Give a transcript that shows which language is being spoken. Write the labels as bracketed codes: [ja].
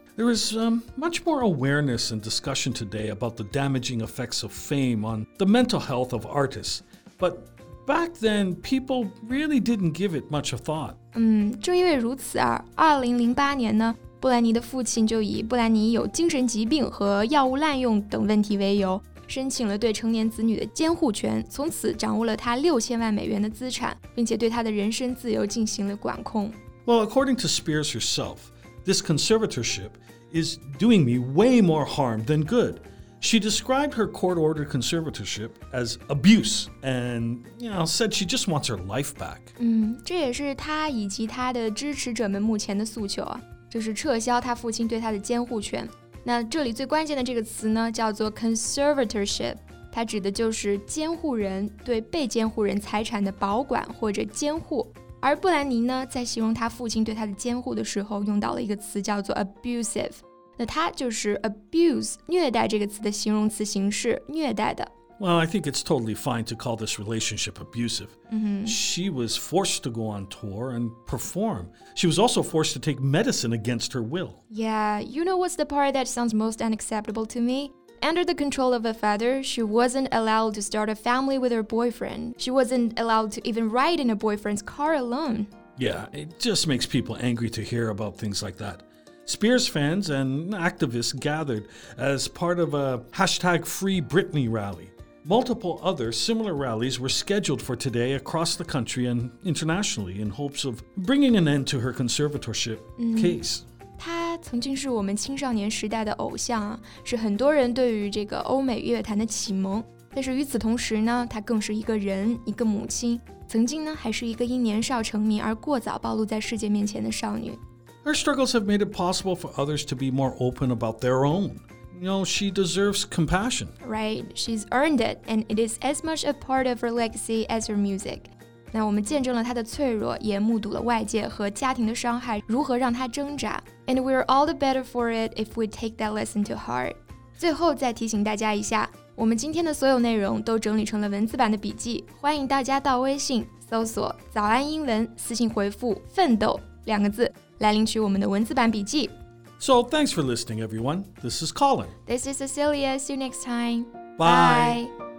[en] There is much more awareness and discussion today about the damaging effects of fame on the mental health of artists. But back then, people really didn't give it much a thought. [zh] 正因为如此啊，2008年呢，布兰妮的父亲就以布兰妮有精神疾病和药物滥用等问题为由，申请了对成年子女的监护权，从此掌握了她$60,000,000的资产，并且对她的人身自由进行了管控。 [en] Well, according to Spears herself, this conservatorship is doing me way more harm than good. She described her court-ordered conservatorship as abuse and, you know, said she just wants her life back. [zh] 这也是她以及她的支持者们目前的诉求啊，就是撤销她父亲对她的监护权。那这里最关键的这个词呢叫做 conservatorship， 它指的就是监护人对被监护人财产的保管或者监护。而布兰妮呢在形容她父亲对她的监护的时候用到了一个词叫做 abusive， 那它就是 abuse 虐待这个词的形容词形式，虐待的。 [en] Well, I think it's totally fine to call this relationship abusive. She was forced to go on tour and perform. She was also forced to take medicine against her will. Yeah, you know what's the part that sounds most unacceptable to me? Under the control of a father, she wasn't allowed to start a family with her boyfriend. She wasn't allowed to even ride in a boyfriend's car alone. Yeah, it just makes people angry to hear about things like that. Spears fans and activists gathered as part of a hashtag Free Britney rally. Multiple other similar rallies were scheduled for today across the country and internationally in hopes of bringing an end to her conservatorship case. [zh] 她曾经是我们青少年时代的偶像，是很多人对于这个欧美乐坛的启蒙。但是与此同时呢，她更是一个人，一个母亲。曾经呢，还是一个因年少成名而过早暴露在世界面前的少女。 [en] Her struggles have made it possible for others to be more open about their own. You know, she deserves compassion. Right, she's earned it, and it is as much a part of her legacy as her music. [zh] 那我们见证了她的脆弱，也目睹了外界和家庭的伤害如何让她挣扎。 [en] And we're all the better for it if we take that lesson to heart. [zh] 最后再提醒大家一下，我们今天的所有内容都整理成了文字版的笔记，欢迎大家到微信搜索“早安英文”，私信回复“奋斗”两个字。来领取我们的文字版笔记。 [en] So, thanks for listening, everyone. This is Colin. This is Cecilia. See you next time. Bye. Bye.